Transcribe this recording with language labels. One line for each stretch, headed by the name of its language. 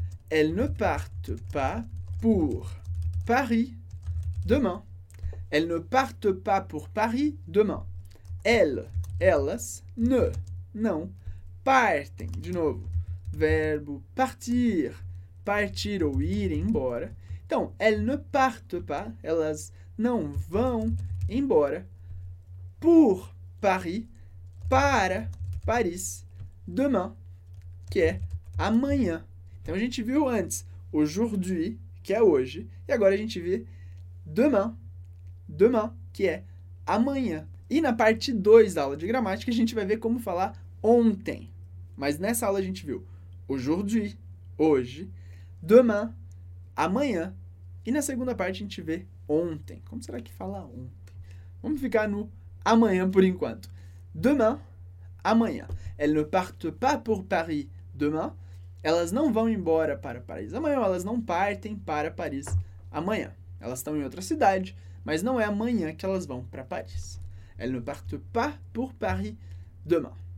French: Elles ne partent pas pour Paris demain. Elles ne partent pas pour Paris demain.
Portuguese: Elles, elas, ne, não, partem, de novo, verbo partir, partir ou ir embora. Então,
French: elles ne partent pas,
Portuguese: elas não vão embora,
French: pour Paris,
Portuguese: para Paris,
French: demain,
Portuguese: que é amanhã. Então, a gente viu antes, aujourd'hui, que é hoje, e agora a gente vê demain. Demain, que é amanhã. E na parte 2 da aula de gramática, a gente vai ver como falar ontem. Mas nessa aula a gente viu aujourd'hui, hoje, demain, amanhã. E na segunda parte a gente vê ontem. Como será que fala ontem? Vamos ficar no amanhã por enquanto. Demain, amanhã.
French: Elles ne partent pas pour Paris demain.
Portuguese: Elas não vão embora para Paris amanhã. Elas não partem para Paris amanhã. Elas estão em outra cidade. Mas não é amanhã que elas vão para Paris.
French: Elles ne partent pas pour Paris demain.